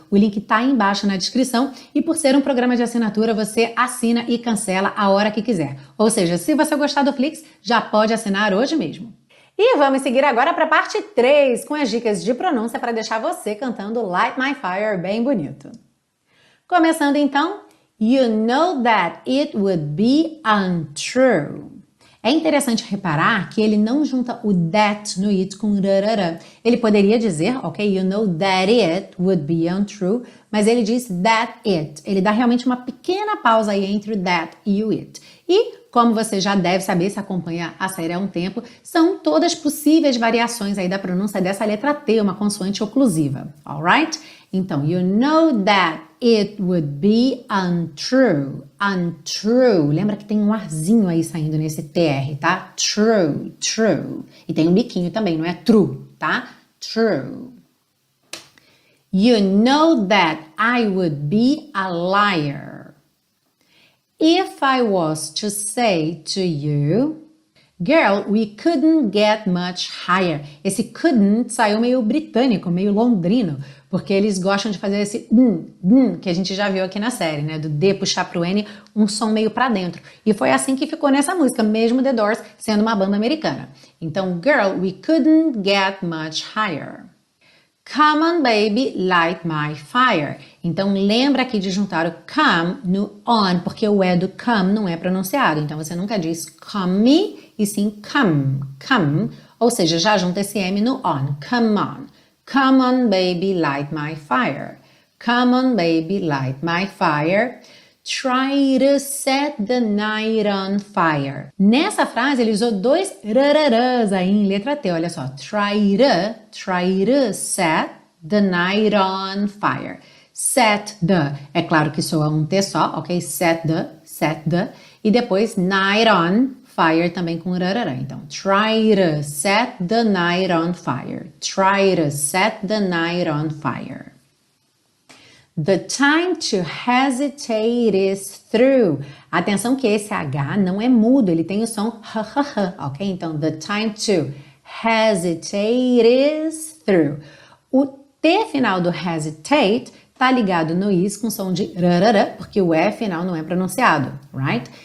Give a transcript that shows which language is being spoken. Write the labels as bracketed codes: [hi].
[pt] O link está aí embaixo na descrição. E por ser um programa de assinatura, você assina e cancela a hora que quiser. Ou seja, se você gostar do Flix, já pode assinar hoje mesmo. E vamos seguir agora para a parte 3, com as dicas de pronúncia para deixar você cantando Light My Fire bem bonito. Começando então, [en] You know that it would be untrue. [pt] É interessante reparar que ele não junta o that no it com rarara. Ele poderia dizer, ok, [en] you know that it would be untrue, [pt] mas ele diz that it. Ele dá realmente uma pequena pausa aí entre o that e o it. E, como você já deve saber, se acompanha a série há um tempo, são todas possíveis variações aí da pronúncia dessa letra T, uma consoante oclusiva. [en] Alright? Então, you know that it would be untrue. Untrue. [pt] Lembra que tem um arzinho aí saindo nesse TR, tá? True, true. E tem um biquinho também, não é true, tá? [en] True. You know that I would be a liar. If I was to say to you, girl, we couldn't get much higher. [pt] Esse couldn't saiu meio britânico, meio londrino, porque eles gostam de fazer esse que a gente já viu aqui na série, né? Do D puxar pro N, um som meio para dentro. E foi assim que ficou nessa música, mesmo The Doors sendo uma banda americana. [en] Então, girl, we couldn't get much higher. Come on, baby, light my fire. [pt] Então, lembra aqui de juntar o come no on, porque o E do come não é pronunciado. Então, você nunca diz come me, e sim come, come. Ou seja, já junta esse M no on. [en] Come on. Come on, baby, light my fire. Come on, baby, light my fire. Try to set the night on fire. [pt] Nessa frase, ele usou dois rararãs aí em letra T, olha só. [en] Try to set the night on fire. [pt] Set the. É claro que soa um T só, ok? Set the. E depois, [en] night on fire [pt] também com rararã. [en] Então, try to set the night on fire. Try to set the night on fire. The time to hesitate is through. [pt] Atenção que esse H não é mudo, ele tem o som h, ok? [en] Então, the time to hesitate is through. [pt] O T final do hesitate tá ligado no is com som de rarara, porque o E final não é pronunciado, right?